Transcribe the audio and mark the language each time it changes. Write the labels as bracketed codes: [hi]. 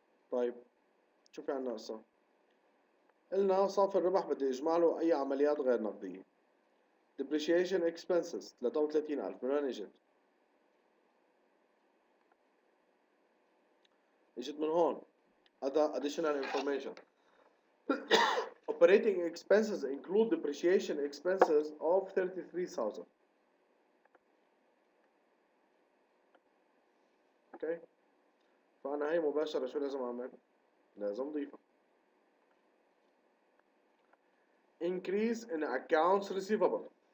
[ar] طيب شوفي عنا قصة، قلنا صافي الربح بدي اجمع له اي عمليات غير نقدية. depreciation expenses 33,000 من وين اجت؟ اجت من هون additional information. [en] Operating expenses include depreciation expenses of 33,000. Okay. [ar] فأنا هاي مباشرة شو لازم أعمل؟ لازم ضيفها. [en] Increase in accounts receivable.